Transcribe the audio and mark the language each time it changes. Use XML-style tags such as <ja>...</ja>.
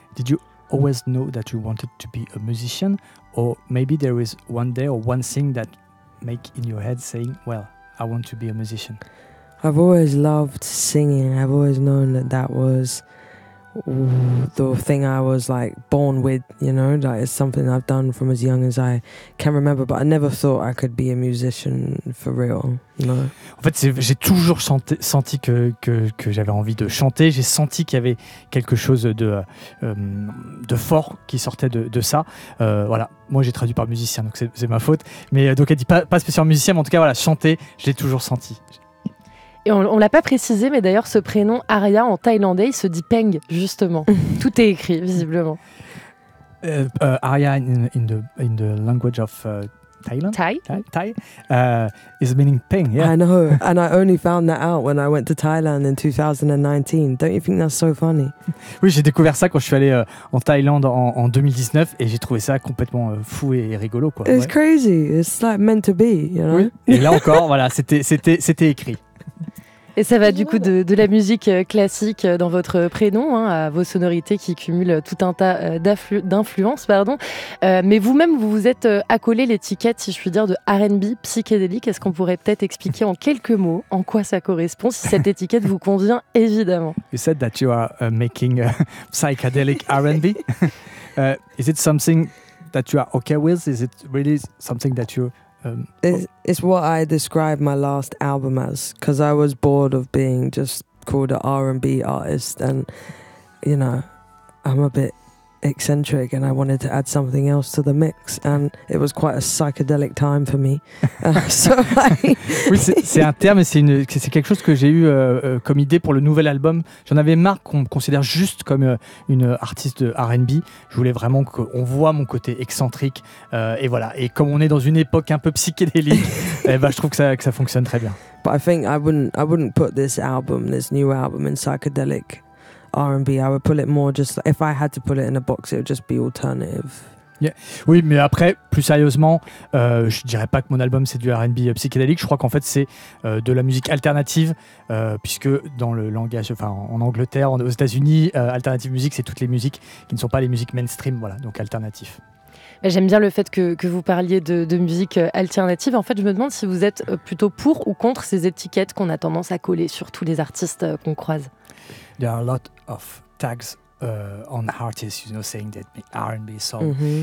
<en>Did you always know that you wanted to be a musician, or maybe there is one day or one thing that make in your head saying, well, I want to be a musician? I've always loved singing. I've always known that that was the thing I was like born with, you know, like it's something I've done from as young as I can remember, but I never thought I could be a musician for real, no.</en> <fr>En fait, j'ai toujours senti que j'avais envie de chanter, j'ai senti qu'il y avait quelque chose de fort qui sortait de ça. Voilà, moi j'ai traduit par musicien, donc c'est ma faute, mais donc elle dit pas spécialement musicien, mais en tout cas, voilà, chanter, je l'ai toujours senti. Et on l'a pas précisé, mais d'ailleurs, ce prénom Aria en thaïlandais, il se dit Peng, justement. Tout est écrit, visiblement.</fr> <en>Aria in the language of Thailand. Thai is meaning Peng. Yeah. I know, and I only found that out when I went to Thailand in 2019. Don't you think that's so funny?</en> <fr>Oui, j'ai découvert ça quand je suis allé en Thaïlande en 2019, et j'ai trouvé ça complètement fou et rigolo, quoi.</fr> <en>It's ouais. Crazy. It's like meant to be, you know.</en> <fr>Oui. Et là encore, voilà, c'était écrit. Et ça va du coup de la musique classique dans votre prénom, hein, à vos sonorités qui cumulent tout un tas d'influences, pardon. Mais vous-même, vous vous êtes accolé l'étiquette, si je puis dire, de R&B psychédélique. Est-ce qu'on pourrait peut-être expliquer en quelques mots en quoi ça correspond, si cette étiquette vous convient, évidemment.</fr> <en>You said that you are making psychedelic R&B. Is it something that you are okay with? Is it really something that you... It's what I described my last album as, because I was bored of being just called an R&B artist, and you know, I'm a bit eccentric, and I wanted to add something else to the mix, and it was quite a psychedelic time for me.</en> <fr>Oui, c'est un terme, c'est quelque chose que j'ai eu comme idée pour le nouvel album. J'en avais marre qu'on me considère juste comme une artiste de R&B. Je voulais vraiment qu'on voit mon côté excentrique, et voilà. Et comme on est dans une époque un peu psychédélique, eh ben, je trouve que ça fonctionne très bien.</fr> <en>But I think I wouldn't put this new album in psychedelic R&B. I would put it more just if I had to put it in a box, it would just be alternative. Yeah.</en> <fr>Oui, mais après, plus sérieusement, je dirais pas que mon album c'est du R&B psychédélique. Je crois qu'en fait c'est de la musique alternative, puisque dans le langage, enfin en Angleterre, aux États-Unis, alternative music c'est toutes les musiques qui ne sont pas les musiques mainstream. Voilà, donc alternatif. J'aime bien le fait que vous parliez de musique alternative. En fait, je me demande si vous êtes plutôt pour ou contre ces étiquettes qu'on a tendance à coller sur tous les artistes qu'on croise.</fr> <en>There are a lot of tags on artists, you know, saying that R&B song.</en>